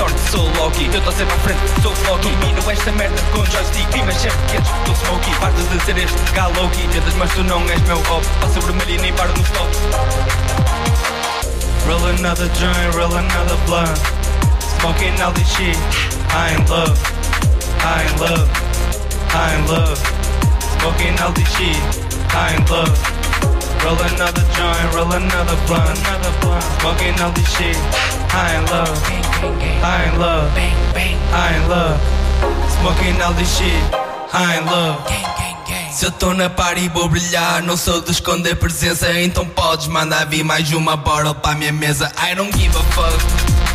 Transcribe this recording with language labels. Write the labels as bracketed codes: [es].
[pt] Sou Loki, eu tô sempre à frente, sou Loki. Domino esta merda com joystick, mas sempre quietos, tô smoky. Parto de ser este galoki, tentas mas tu não és meu hobby. Passo vermelho e nem paro no stop. [en] Roll another joint, roll another blunt. Smoking all this shit, I'm love, I'm love, I'm love. Smoking all this shit, I'm love. Roll another joint, roll another blunt, another blunt. Smoking all this shit, I'm love. I in love, bang, bang. I in love. Smoking all this shit, I in love, gang, gang, gang. [pt] Se eu tô na party vou brilhar, não sou de esconder presença. Então podes mandar vir mais uma bottle pra minha mesa. [en] I don't give a fuck.